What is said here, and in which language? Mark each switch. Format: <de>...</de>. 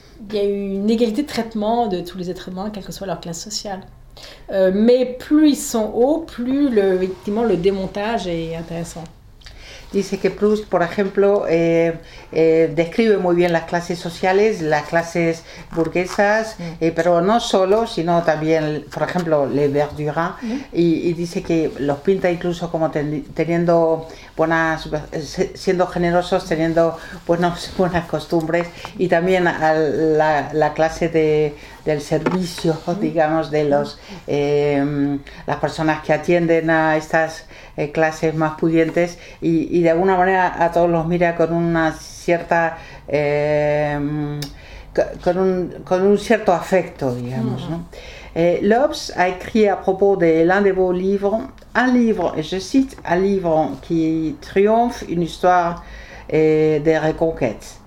<fr>Il y a eu une égalité de traitement de tous les êtres humains, quelle que soit leur classe sociale. Mais plus ils sont hauts, plus le démontage est intéressant.</fr> <es>Dice que Proust, por ejemplo, describe muy bien las clases sociales, las clases burguesas, pero no solo, sino también, por ejemplo, les Verdurins, y dice que los pinta incluso como teniendo siendo generosos, teniendo buenas costumbres, y también a la clase del servicio, digamos, de los las personas que atienden a estas clases más pudientes, y de alguna manera a todos los mira con una cierta con un cierto afecto, digamos, ¿no?</es> <fr>Lobbes a écrit à propos de l'un de vos livres, un livre, je cite, un livre qui triomphe, une histoire de reconquête.</fr>